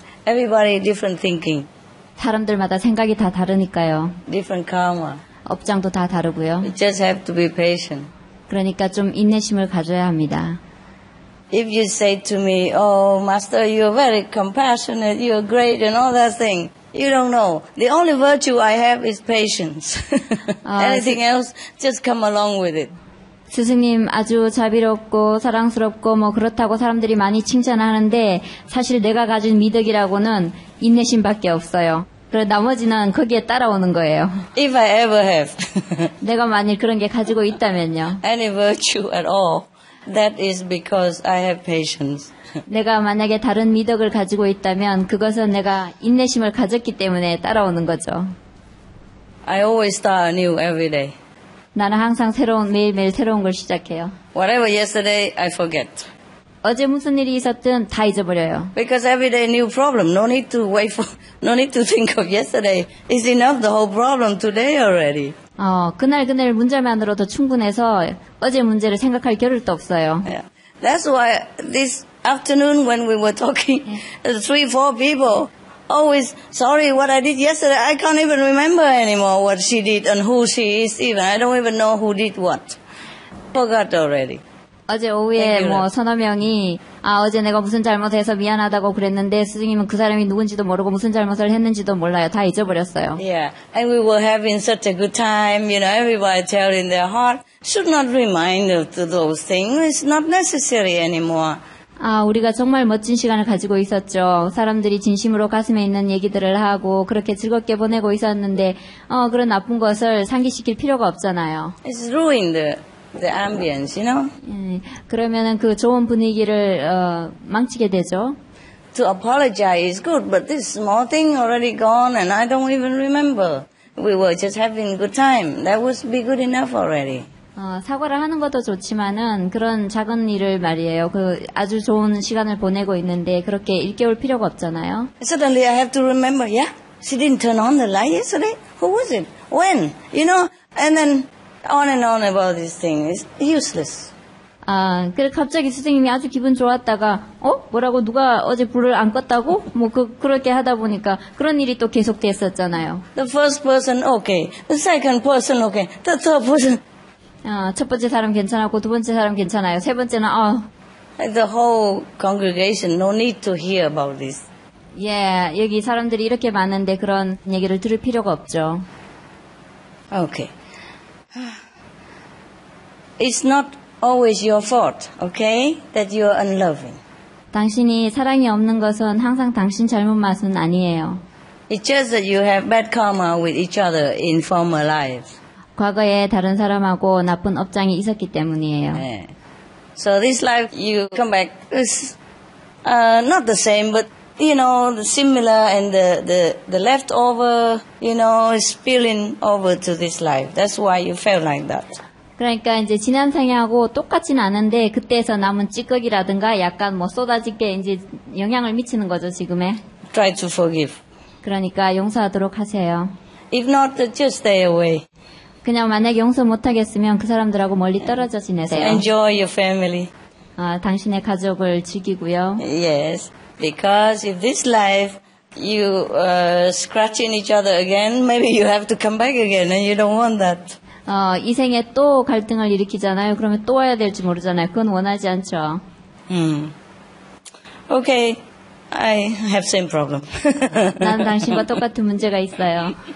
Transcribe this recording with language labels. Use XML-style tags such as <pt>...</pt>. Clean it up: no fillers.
<en>Everybody different thinking.</en> <ko>사람들마다 생각이 다 다르니까요.</ko> <en>Different karma.</en> <ko>업장도 다 다르고요.</ko> <en>You just have to be patient.</en> <ko>그러니까 좀 인내심을 가져야 합니다.</ko> <en>If you say to me, "Oh, Master, you're very compassionate, you're great, and all that thing," you don't know. The only virtue I have is patience. Anything else, just come along with it.</en> <ko>스승님 아주 자비롭고 사랑스럽고 뭐 그렇다고 사람들이 많이 칭찬하는데 사실 내가 가진 미덕이라고는 인내심밖에 없어요. 그래 나머지는 거기에 따라오는 거예요.</ko> <en>If I ever have.</en> <ko>내가 만일 그런 게 가지고 있다면요.</ko> <en>Any virtue at all, that is because I have patience.</en> <ko>내가 만약에 다른 미덕을 가지고 있다면 그것은 내가 인내심을 가졌기 때문에 따라오는 거죠.</ko> <en>I always start anew every day.</en> <ko>나는 항상 새로운 매일매일 새로운 걸 시작해요.</ko> <en>Whatever yesterday, I forget.</en> <ko>어제 무슨 일이 있었든 다 잊어버려요.</ko> <en>Because every day new problem. No need to wait for, no need to think of yesterday. It's enough the whole problem today already.</en> <ko>그날 문제만으로도 충분해서 어제 문제를 생각할 겨를도 없어요.</ko> <en>Yeah. That's why this afternoon when we were talking, yeah. 3-4 people always, sorry, what I did yesterday, I can't even remember anymore what she did and who she is even. I don't even know who did what. Forgot already.</en> <ko>어제 오후에 뭐 서너 명이 아 어제 내가 무슨 잘못해서 미안하다고 그랬는데 스승님은 그 사람이 누군지도 모르고 무슨 잘못을 했는지도 몰라요. 다 잊어버렸어요.</ko> <en>Yeah, and we were having such a good time. You know, everybody telling their heart should not remind of those things. It's not necessary anymore.</en> <ko>아, 우리가 정말 멋진 시간을 가지고 있었죠. 사람들이 진심으로 가슴에 있는 얘기들을 하고 그렇게 즐겁게 보내고 있었는데 그런 나쁜 것을 상기시킬 필요가 없잖아요.</ko> <en>It's ruined the ambience, you know?</en> <ko>예, 그러면은 그 좋은 분위기를 망치게 되죠.</ko> <en>To apologize is good, but this small thing already gone and I don't even remember. We were just having good time. That would be good enough already.</en> <ko>사과를 하는 것도 좋지만은 그런 작은 일을 말이에요. 그 아주 좋은 시간을 보내고 있는데 그렇게 일깨울 필요가 없잖아요.</ko> <en>Suddenly I have to remember, yeah? She didn't turn on the light yesterday? Who was it? When? You know? And then on and on about this thing. It's useless.</en> <ko>아, 그래 갑자기 선생님이 아주 기분 좋았다가 어? 뭐라고 누가 어제 불을 안 껐다고? 뭐 그렇게 하다 보니까 그런 일이 또 계속됐었잖아요.</ko> <en>The first person, okay. The second person, okay. The third person,</en> <ko>첫 번째 사람 괜찮았고 두 번째 사람 괜찮아요. 세 번째는</ko> <en>The whole congregation no need to hear about this. Yeah,</en> <ko>여기 사람들이 이렇게 많은데 그런 얘기를 들을 필요가 없죠.</ko> <en>Okay. It's not always your fault, okay? That you are unloving.</en> <ko>당신이 사랑이 없는 것은 항상 당신 잘못 맛은 아니에요.</ko> <en>It's just that you have bad karma with each other in former lives.</en> <ko>과거에 다른 사람하고 나쁜 업장이 있었기 때문이에요. 네.</ko> <en>So this life you come back is not the same, but you know similar and the leftover you know spilling over to this life. That's why you felt like that.</en> <ko>그러니까 이제 지난 생에하고 똑같진 않은데 그때에서 남은 찌꺼기라든가 약간 뭐 쏟아지게 이제 영향을 미치는 거죠 지금에.</ko> <en>Try to forgive.</en> <ko>그러니까 용서하도록 하세요.</ko> <en>If not, just stay away.</en> <ko>그냥 만약에 용서 못하겠으면 그 사람들하고 멀리 떨어져 지내세요.</ko> <en>Enjoy your family.</en> <ko>당신의 가족을 즐기고요.</ko> <en>Yes, because if this life you scratching each other again, maybe you have to come back again and you don't want that.</en> <ko>이 생에 또 갈등을 일으키잖아요. 그러면 또 와야 될지 모르잖아요. 그건 원하지 않죠.</ko> <en>Okay, I have same problem.</en> <ko>난 당신과 똑같은 문제가 있어요.</ko>